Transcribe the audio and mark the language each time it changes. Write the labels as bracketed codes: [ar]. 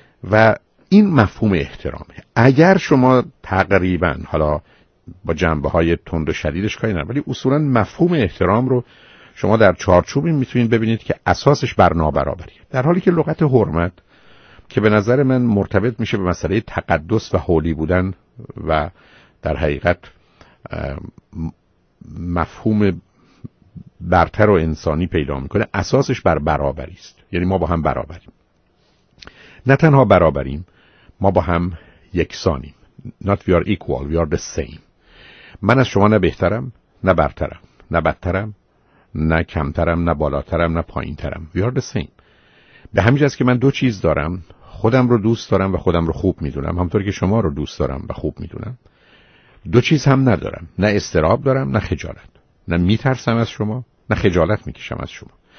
[fa] و این مفهوم احترامه. اگر شما تقریبا، حالا با جنبه های تند و شدیدش کاری نداره، ولی اصولا مفهوم احترام رو شما در چارچوبی میتونید ببینید که اساسش بر نابرابریه، در حالی که لغت حرمت که به نظر من مرتبط میشه به مسئله تقدس و هولی بودن و در حقیقت مفهوم برتر و انسانی پیدا میکنه اساسش بر برابری است. یعنی ما با هم برابریم. نه تنها برابریم، ما با هم یکسانیم. [en] Not we are equal, we are the same. [fa] من از شما نه بهترم، نه برترم، نه بدترم، نه کمترم، نه بالاترم، نه پایینترم. [en] We are the same. [fa] به همین جاست که من دو چیز دارم، خودم رو دوست دارم و خودم رو خوب میدونم، همطور که شما رو دوست دارم و خوب میدونم. دو چیز هم ندارم، نه استراب دارم، نه خجالت، نه میترسم از شما، نه خجالت میکشم از شما.